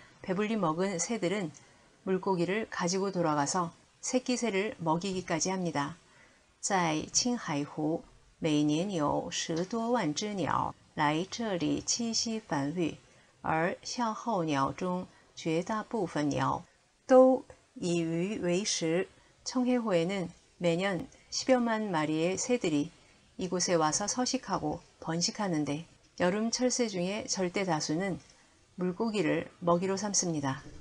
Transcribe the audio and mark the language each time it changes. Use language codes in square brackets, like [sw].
[ko] 배불리 먹은 새들은 물고기를 가지고 돌아가서 새끼 새를 먹이기까지 합니다. [zh] 在青海湖每年有10多万只鸟来这里栖息繁育，而夏候鸟中 绝大部分鸟都以鱼为食. [ko] 청해호에는 매년 10여만 마리의 새들이 이곳에 와서 서식하고 번식하는데 여름 철새 중에 절대 다수는 물고기를 먹이로 삼습니다.